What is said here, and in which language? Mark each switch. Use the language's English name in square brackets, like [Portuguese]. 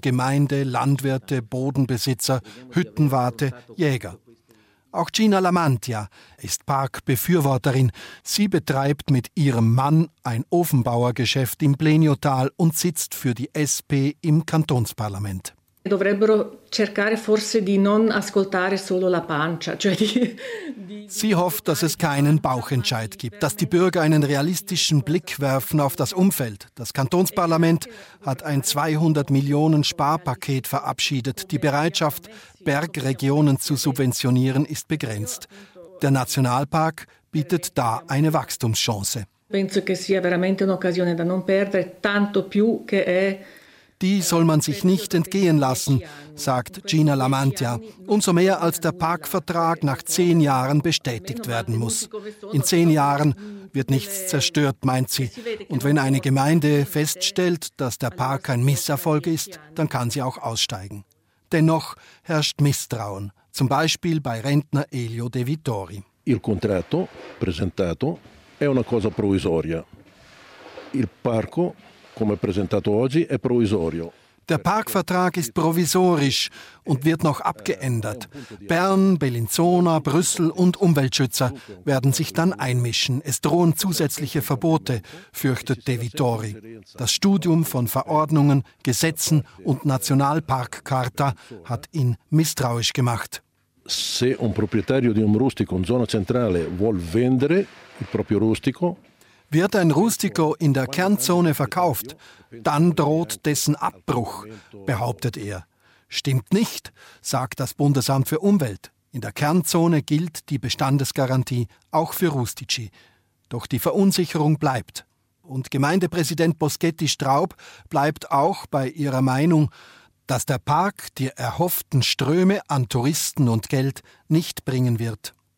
[German] Gemeinde, Landwirte, Bodenbesitzer, Hüttenwarte, Jäger. Auch Gina Lamantia ist Parkbefürworterin. Sie betreibt mit ihrem Mann ein Ofenbauergeschäft im Pleniotal und sitzt für die SP im Kantonsparlament. [Italian] Dovrebbero cercare forse di non ascoltare solo la pancia, cioè di. [German] Sie hofft, dass es keinen Bauchentscheid gibt, dass die Bürger einen realistischen Blick werfen auf das Umfeld. Das Kantonsparlament hat ein 200 Millionen Sparpaket verabschiedet. Die Bereitschaft, Bergregionen zu subventionieren, ist begrenzt. Der Nationalpark bietet da eine Wachstumschance. [Italian] Penso che sia veramente un'occasione da non perdere, tanto più che è. [German] Die soll man sich nicht entgehen lassen, sagt Gina Lamantia. Umso mehr, als der Parkvertrag nach 10 Jahren bestätigt werden muss. In 10 Jahren wird nichts zerstört, meint sie. Und wenn eine Gemeinde feststellt, dass der Park ein Misserfolg ist, dann kann sie auch aussteigen. Dennoch herrscht Misstrauen, zum Beispiel bei Rentner Elio De Vittori. [Italian] Il contratto presentato è una cosa provvisoria. Il parco, come presentato oggi, è provvisorio. [German] Der Parkvertrag ist provisorisch und wird noch abgeändert. Bern, Bellinzona, Brüssel und Umweltschützer werden sich dann einmischen. Es drohen zusätzliche Verbote, fürchtet De Vittori. Das Studium von Verordnungen, Gesetzen und Nationalparkcharta hat ihn misstrauisch gemacht. [Italian] Se un proprietario di un rustico in zona centrale vuol vendere il proprio rustico. [German] Wird ein Rustico in der Kernzone verkauft, dann droht dessen Abbruch, behauptet er. Stimmt nicht, sagt das Bundesamt für Umwelt. In der Kernzone gilt die Bestandesgarantie auch für Rustici. Doch die Verunsicherung bleibt. Und Gemeindepräsident Boschetti Straub bleibt auch bei ihrer Meinung, dass der Park die erhofften Ströme an Touristen und Geld nicht bringen wird.